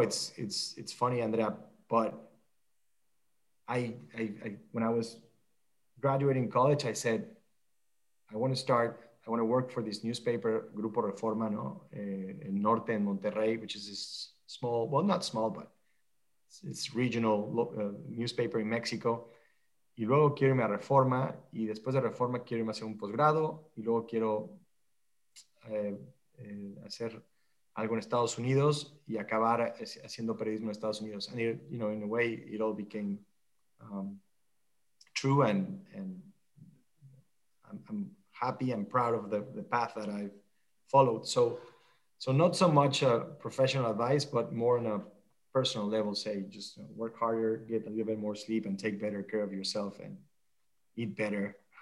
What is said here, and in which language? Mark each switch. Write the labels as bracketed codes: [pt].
[en] It's funny, Andrea, but I when I was graduating college, I said, I want to work for this newspaper, Grupo Reforma, no, in Norte in Monterrey, which is this small, well, not small, but it's regional newspaper in Mexico. [es] Y luego quiero irme a Reforma y después de Reforma quiero irme a hacer un posgrado y luego quiero hacer algo en Estados Unidos y acabar haciendo periodismo en Estados Unidos. [en] And it, you know, in a way, it all became true and I'm happy and proud of the path that I've followed. So not so much professional advice, but more on a personal level, say just work harder, get a little bit more sleep, and take better care of yourself and eat better.